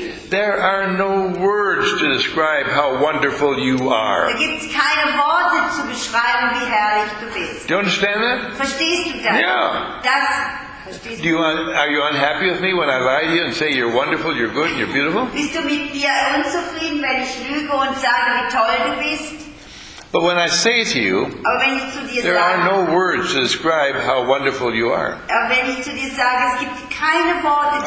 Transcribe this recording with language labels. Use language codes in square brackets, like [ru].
[en] There are no words to describe how wonderful you are. [de] Da gibt's keine Worte zu beschreiben, wie herrlich du bist. [en] Do you understand that? [de] Verstehst du das? [en] Yeah. [de] Das [en] Do you are you unhappy with me when I lie to you and say you're wonderful, you're good, you're beautiful? [de] Bist du mit mir unzufrieden, wenn ich lüge und sage, wie toll du bist? [en] But when I say to you, [de] aber wenn ich zu dir [en] there [de] sage, [en] are no words to describe how wonderful you are. [de] Aber wenn ich zu dir sage, es gibt keine Worte, die